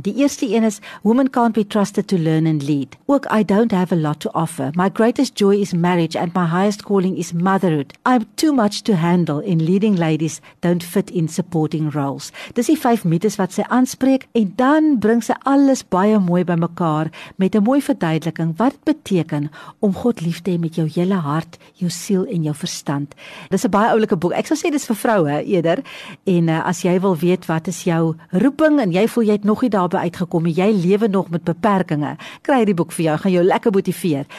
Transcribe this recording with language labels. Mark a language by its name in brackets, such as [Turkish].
[Afrikaans] Die eerste een is, [English] women can't be trusted to learn and lead. Ook, I don't have a lot to offer. My greatest joy is marriage and my highest calling is motherhood. I'm too much to handle in leading ladies don't fit in supporting roles. [Afrikaans] Dis die 5 mites wat sy aanspreek en dan bring sy alles baie mooi by mekaar met 'n mooi verduideliking wat beteken om God lief te hê met jou hele hart, jou siel en jou verstand. Dis 'n baie oulike boek. Ek sou sê dis vir vroue eerder. En as jy wil weet wat is jou roeping en jy voel jy het nog nie daarby uitgekom nie, jy lewe nog met beperkinge, kry hierdie boek vir jou, gaan jou lekker motiveer.